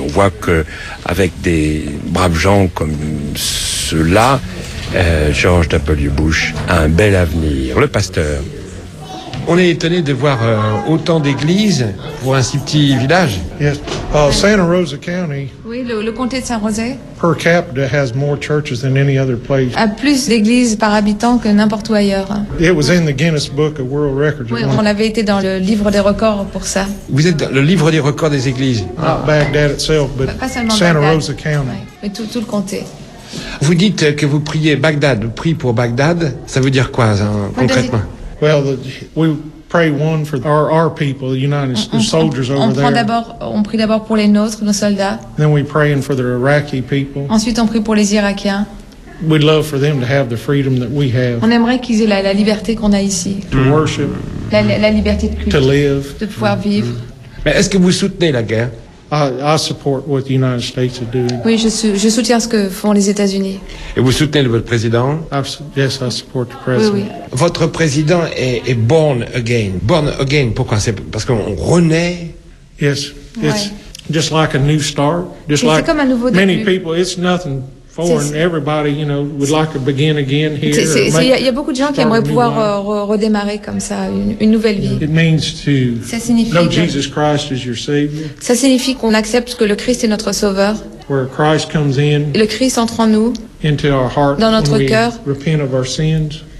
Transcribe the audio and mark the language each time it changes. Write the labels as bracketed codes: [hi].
[fr] On voit que avec des braves gens comme ceux-là, George W. Bush a un bel avenir. Le pasteur. On est étonné de voir autant d'églises pour un si petit village. [en] Yes. Santa Rosa County. [fr] Oui, le comté de Saint-Rosé. [en] Per capita has more churches than any other place. [fr] A plus d'églises par habitant que n'importe où ailleurs. [en] It was in the Guinness Book of World Records. [fr] Oui, on avait été dans le livre des records pour ça. Vous êtes dans le livre des records des églises. [en] Not Baghdad itself, but Santa Rosa County. [fr] Oui, mais tout le comté. Vous dites que vous priez Bagdad, vous priez pour Bagdad. Ça veut dire quoi, ça, concrètement? [en] Well, we pray one for our people, the United States, the soldiers over there. [fr] On prie d'abord pour les nôtres, nos soldats. [en] Then we pray for the Iraqi people. [fr] Ensuite, on prie pour les Irakiens. [en] We'd love for them to have the freedom that we have. [fr] On aimerait qu'ils aient la liberté qu'on a ici. [en] To worship. [fr] La liberté de culte. [en] To live. [fr] De pouvoir vivre. Mais est-ce que vous soutenez la guerre? [en] I support what the United States is doing. [fr] Oui, je soutiens ce que font les États-Unis. Et vous soutenez votre président? [en] Yes, I support the president. [fr] Oui, oui. Votre président est [en] born again. Born again, [fr] pourquoi? C'est parce qu'on renaît? [en] Yes, it's just like a new start. Just [fr] c'est [en] like [fr] comme un nouveau début. [en] Many people, it's nothing foreign. Everybody, you know, would like to begin again here. [fr] Il y a beaucoup de gens qui aimeraient pouvoir redémarrer comme ça, une nouvelle vie. [en] It means to know Jesus Christ as your Savior. [fr] Ça signifie qu'on accepte que le Christ est notre Sauveur. [en] Where Christ comes in. [fr] Le Christ entre en nous. [en] Into our heart. [fr] Dans notre cœur. [en] Repent of our sins.